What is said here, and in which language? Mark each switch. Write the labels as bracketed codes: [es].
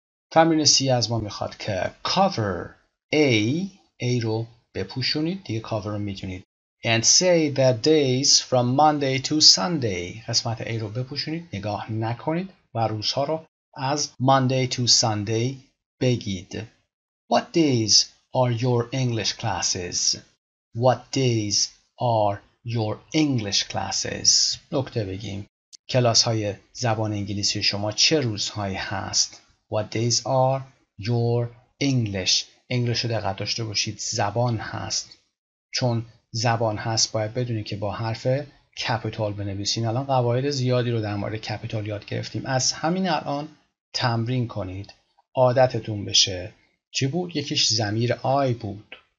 [fa] تمرین سی از ما میخواد که cover A رو بپوشونید دیگه cover رو میتونید [en] and say the days from Monday to Sunday [fa] قسمت A رو بپوشونید نگاه نکنید و روزها رو از [en] Monday to Sunday [fa] بگید [en] What days are your English classes? What days are your English classes? [fa] نکته بگیم کلاس های زبان انگلیسی شما چه روزهایی هست؟ [en] What days are your English? [fa] English رو دقت داشته باشید زبان هست چون زبان هست باید بدونید که با حرف capital بنویسین الان قواعد زیادی رو در مورد capital یاد گرفتیم از همین الان تمرین کنید عادتتون بشه چی بود؟ یکیش ضمیر آی بود